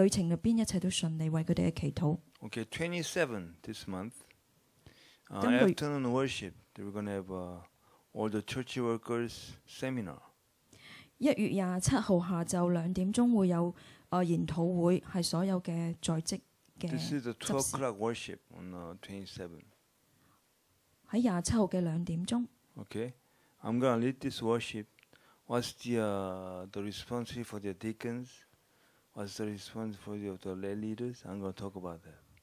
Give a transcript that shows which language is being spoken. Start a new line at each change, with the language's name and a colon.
Cantonese: 希望咧，一切喺呢個旅程入邊，一切都順利，為佢哋嘅祈禱。
English: Okay, 27 this month, afternoon worship. We're gonna have all the church workers seminar.
Cantonese: 1月27號下晝2點鐘會有研討會，係所有嘅在職嘅。
English: This is the 12 o'clock worship on 27.
Cantonese: 喺27號嘅2點鐘。
English: Okay. I'm gonna lead this worship. What's the responsibility for the deacons? What's the responsibility of the lay leaders? I'm gonna talk about that.